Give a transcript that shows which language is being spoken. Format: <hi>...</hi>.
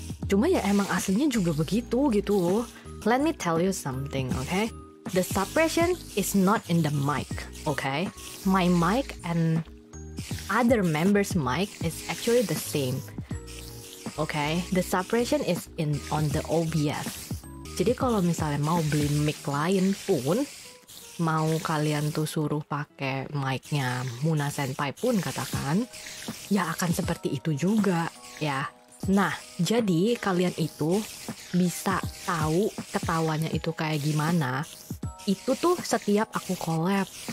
<id>Cuma ya emang aslinya juga begitu gitu.</id> <en>Let me tell you something, okay? The suppression is not in the mic, okay? My mic and other members' mic is actually the same, okay? The suppression is in on the OBS.</en> <id>Jadi kalau misalnya mau beli mic lain pun, mau kalian tuh suruh pakai mic-nya Muna Senpai pun katakan, ya akan seperti itu juga, ya. Nah, jadi kalian itu bisa tahu ketawanya itu kayak gimana, itu tuh setiap aku collab.</id>